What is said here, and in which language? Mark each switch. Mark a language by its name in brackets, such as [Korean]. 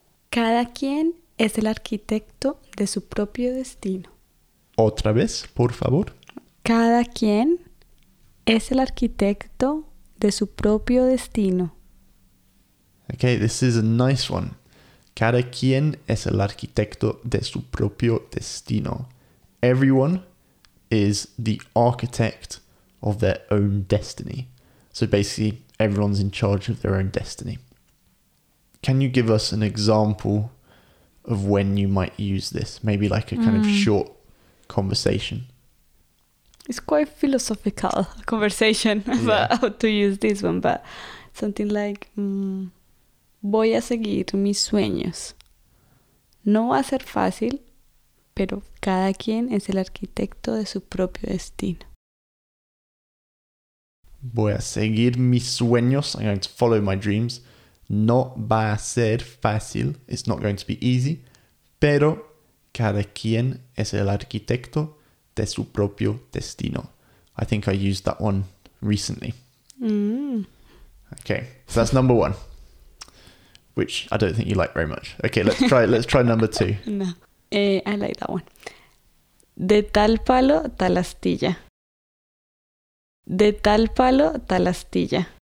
[Spanish] Cada quien es el arquitecto de su propio destino. Otra vez, por favor. Cada quien es el arquitecto de su propio destino. [English] Okay, this is a nice one. [Spanish] Cada quien es el arquitecto de su propio destino. [English] Everyone is the architect of their own destiny. So basically, everyone's in charge of their own destiny. Can you give us an example of when you might use this? Maybe like a kind of short conversation. It's quite a philosophical conversation about how to use this one, but something like, voy a seguir mis sueños. [Spanish] No va a ser fácil, pero cada quien es el arquitecto de su propio destino. [English] Voy a seguir mis sueños. I'm going to follow my dreams. No va a ser fácil. It's not going to be easy. [Spanish] Pero cada quien es el arquitecto de su propio destino. [English] I think I used that one recently. Mm. Okay, so that's number one, which I don't think you like very much. Okay, let's try number two. No, I like that one. De tal palo, tal astilla. [Spanish] De tal palo, tal astilla.